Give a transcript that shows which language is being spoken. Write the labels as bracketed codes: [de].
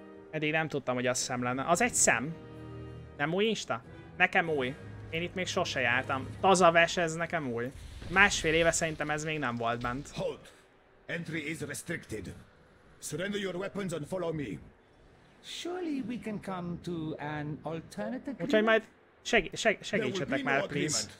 [hu] Eddig nem tudtam, hogy az szem lenne. Az egy szem? Nem új Insta? Nekem új. Én itt még sose jártam. Tazaves, ez nekem új. Másfél éve szerintem ez még nem volt bent. [en] Halt! Entry is restricted. Surrender your weapons and follow me. Surely we can come to an alternative. [hu] Úgyhogy majd segítsetek már, please.